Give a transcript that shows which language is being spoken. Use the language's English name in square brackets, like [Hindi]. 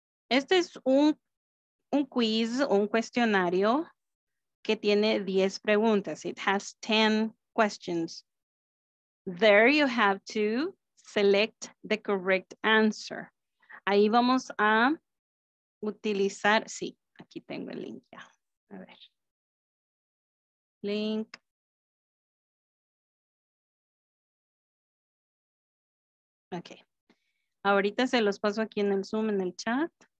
[Spanish] Este es un quiz, un cuestionario que tiene 10 preguntas. [English] It has 10 questions. There you have to select the correct answer. [Spanish] Ahí vamos a utilizar, sí, aquí tengo el link ya. A ver. Link. Okay. Ahorita se los paso aquí en el Zoom, en el chat.